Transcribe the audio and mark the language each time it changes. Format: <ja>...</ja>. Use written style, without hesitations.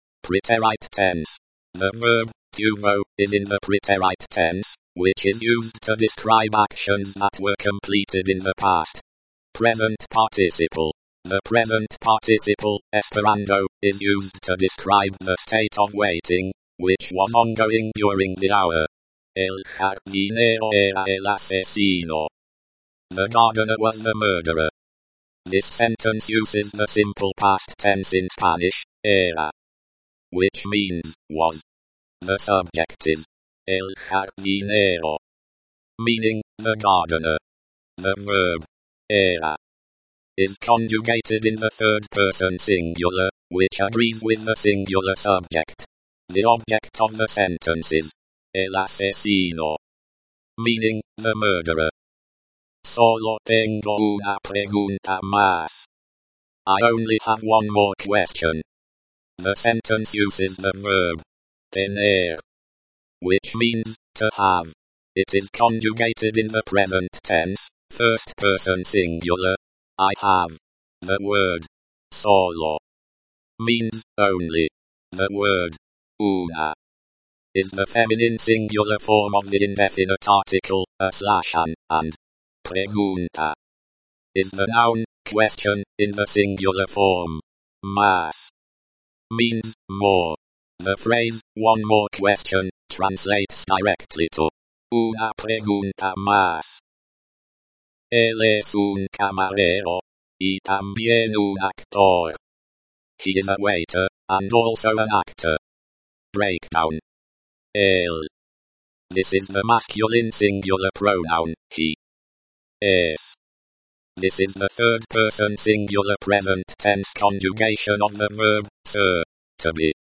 <en>Preterite tense. The verb, tuvo, is in the preterite tense, which is used to describe actions that were completed in the past. Present participle. The present participle, esperando, is used to describe the state of waiting, which was ongoing during the hour.</en> <es>El jardinero era el asesino.</es> <en>The gardener was the murderer. This sentence uses the simple past tense in Spanish, era, which means, was. The subject is el jardinero, meaning the gardener. The verb era is conjugated in the third person singular, which agrees with the singular subject. The object of the sentence is el asesino, meaning the murderer.</en> <es>Solo tengo una pregunta más.</es> <en>I only have one more question. The sentence uses the verb tener, which means to have. It is conjugated in the present tense, first person singular. I have. The word solo means only. The word una is the feminine singular form of the indefinite article, a slash an, and pregunta is the noun, question, in the singular form. Más means more. The phrase, one more question, translates directly to</en> <es>una pregunta más. Él es un camarero, y también un actor.</es> <en>He is a waiter, and also an actor. Breakdown. Él. This is the masculine singular pronoun, he. Es. This is the third person singular present tense conjugation of the verb, ser, to be.</en>